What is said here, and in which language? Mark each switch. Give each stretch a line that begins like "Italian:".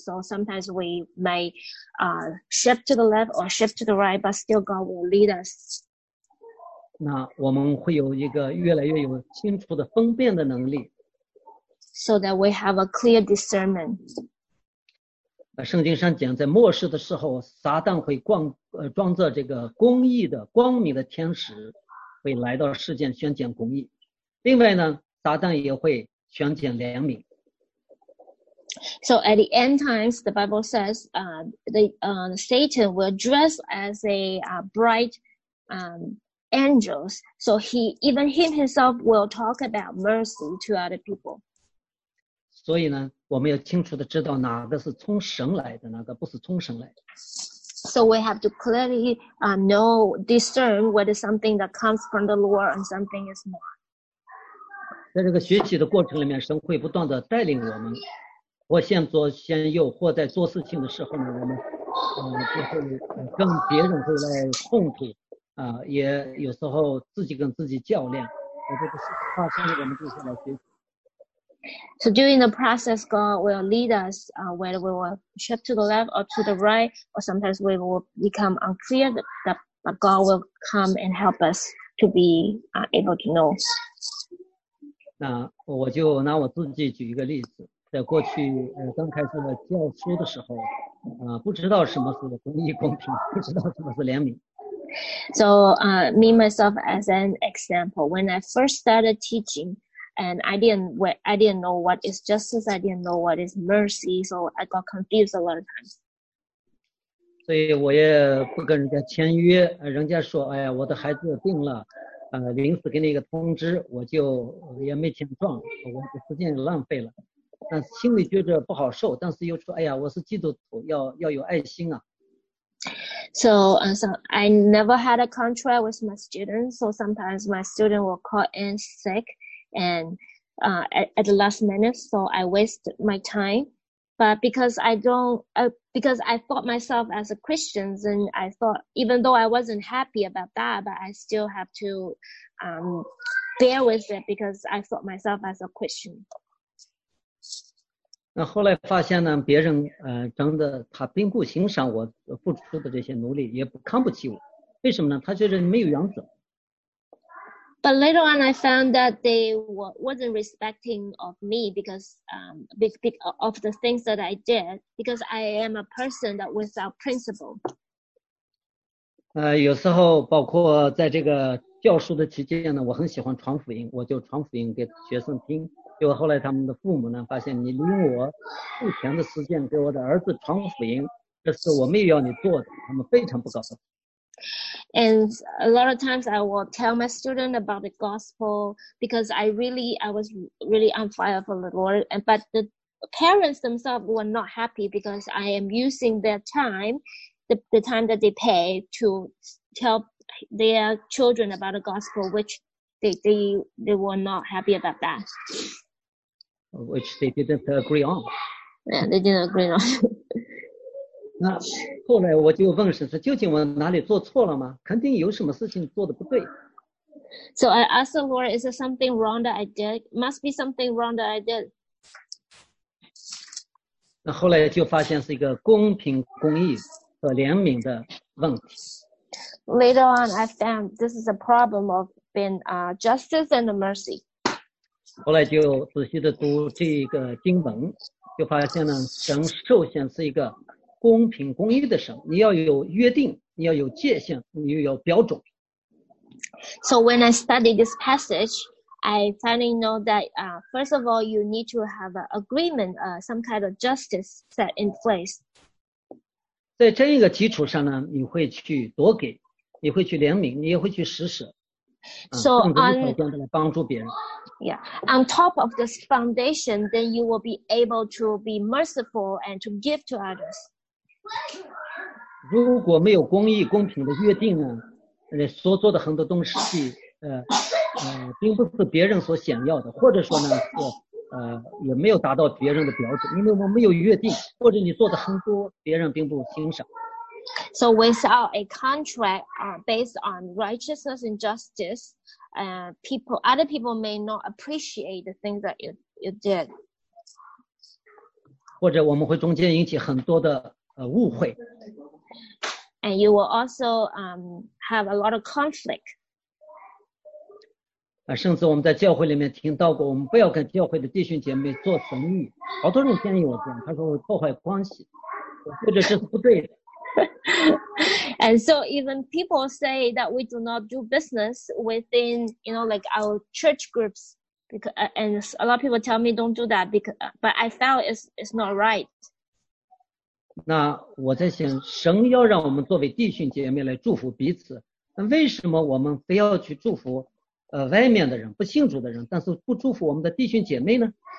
English: So sometimes we may shift to the left or shift to the right, but still God will lead us.
Chinese: 那我们会有一个越来越有清楚的分辨的能力。
English: So that we have a clear discernment.
Chinese: 圣经上讲，在末世的时候，撒旦会装着这个公义的光明的天使，会来到世间宣讲公义。另外呢，撒旦也会宣讲怜悯。
English: So at the end times, the Bible says, Satan will dress as a bright angels, so he himself will talk about mercy to other people.
Chinese: 所以呢，我们要清楚地知道哪个是从神来的，哪个不是从神来的。
English: So we have to clearly discern whether something that comes from the Lord and something is not.
Chinese: 在这个学习的过程里面，神会不断地带领我们，或先左先右，或在做事情的时候呢，我们就会跟别人会来冲突。也有时候自己跟自己较量，这个发生了我们就是来学习。
English: So during the process, God will lead us, whether we will shift to the left or to the right, or sometimes we will become unclear, but God will come and help us to be able to know.
Chinese: 那我就拿我自己举一个例子，在过去刚开始教书的时候，不知道什么是公义公平，不知道什么是怜悯。
English: So, me myself as an example, when I first started teaching, and I didn't know what is justice, I didn't know what is mercy, so I got confused a lot of times.
Chinese: 所以我也不跟人家签约，人家说，哎呀，我的孩子病了，临时给你一个通知，我就也没签状，我的时间浪费了，但心里觉得不好受，但是又说，哎呀，我是基督徒，要有爱心啊。
English: So I never had a contract with my students. So sometimes my student will call in sick and at the last minute. So I waste my time. But because I thought myself as a Christian, and I thought, even though I wasn't happy about that, but I still have to bear with it because I thought myself as a Christian.
Chinese: 那后来发现呢，别人真的他并不欣赏我付出的这些努力，也不看不起我。为什么呢？他觉得没有原则。
English: But later on, I found that they wasn't respecting of me because of the things that I did, because I am a person that without principle.
Chinese: 有时候包括在这个教书的期间呢，我很喜欢传福音，我就传福音给学生听。结果后来他们的父母呢，发现你利用我付钱的时间给我的儿子传福音，这是我没有要你做的，他们非常不高兴。
English: And a lot of times I will tell my student about the gospel because I was really on fire for the Lord, but the parents themselves were not happy because I am using their time, the time that they pay to tell their children about the gospel, which they were not happy about that. Which they didn't agree on. Yeah, they didn't agree on.
Chinese: 那后来我就问神说，究竟我哪里做错了吗？肯定有什么事情做的不对。
English: So I asked the Lord, is there something wrong that I did? Must be something wrong that I did.
Chinese: 那后来就发现是一个公平、公义和怜悯的问题。
English: Later on, I found this is a problem of being justice and mercy.
Chinese: 后来就仔细地读这个经文，就发现呢，神首先是一个公平公义的神，你要有约定，你要有界限，你要有标准。
English: So when I study this passage, I finally know that first of all, you need to have an agreement, some kind of justice set in place.
Chinese: 在这一个基础上呢，你会去多给，你会去怜悯，你也会去施舍。
English: So on, yeah, on top of this foundation, then you will be able to be merciful and to give to others.
Chinese: 如果没有公义公平的约定呢，所做的很多东西，并不是别人所想要的，或者说呢，也没有达到别人的标准，因为我们没有约定，或者你做的很多，别人并不欣赏。
English: So without a contract, based on righteousness and justice, other people may not appreciate the things that you did.
Chinese: 或者我们会中间引起很多的误会。
English: And you will also have a lot of conflict.
Chinese: 甚至我们在教会里面听到过，我们不要跟教会的弟兄姐妹做生意。好多人建议我这样，他说会破坏关系，我觉得这是不对的。
English: And so even people say that we do not do business within, you know, like our church groups. And a lot of people tell me don't do that, but I felt it's not right.
Chinese: 那我在想，神要让我们作为弟兄姐妹来祝福彼此，那为什么我们非要去祝福外面的人，不信主的人，但是不祝福我们的弟兄姐妹呢？